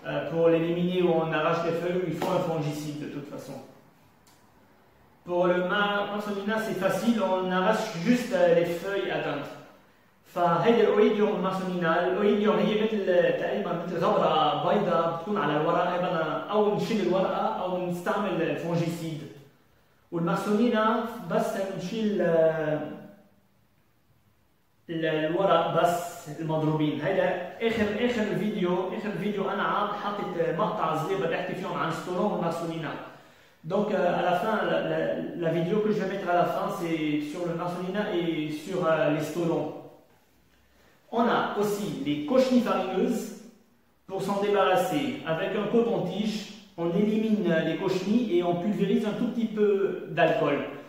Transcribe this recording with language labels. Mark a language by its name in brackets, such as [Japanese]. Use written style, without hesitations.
[French] Pour l'éliminer ou on arrache les feuilles, il faut un fongicide de toute façon. Pour le marsonina, c'est facile, on arrache juste les feuilles atteintes. [Arabic] فهيدي الاويديوم المارسونينا، الاويديوم هي مثل تقريبا مثل غبره بيضاء بتكون على الورقه، بدنا او نشيل الورقه او نستعمل فونجيسيد. والمارسونينا بس نشيل الورق بس المضروبين، هيدا اخر فيديو انا عاد حاطط مقطع صغير بدي احكي فيهم عن ستروم المارسونينا. [French] Donc à la fin, la vidéo que je vais mettre à la fin c'est sur le marsonina et sur les stolons. On a aussi les cochenilles farineuses. Pour s'en débarrasser, avec un coton-tige, on élimine les cochenilles et on pulvérise un tout petit peu d'alcool.